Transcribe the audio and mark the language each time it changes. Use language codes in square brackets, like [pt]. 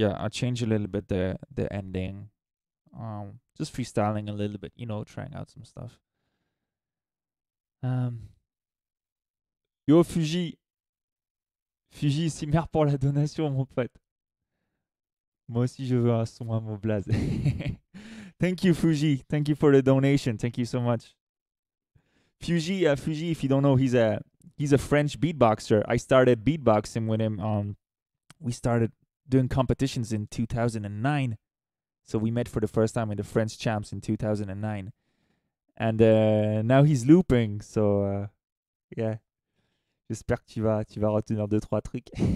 [en] Change a little bit the ending, just freestyling a little bit, you know, trying out some stuff. [fr] Yo Fuji, c'est merde pour la donation mon pote. Moi aussi je veux un son à mon blaze. [en] Thank you Fuji, thank you for the donation, thank you so much. Fuji, if you don't know, he's a French beatboxer. I started beatboxing with him. We started doing competitions in 2009. So we met for the first time in the French Champs in 2009. And now he's looping. So, yeah. [fr] J'espère que tu vas retenir deux, trois trucs.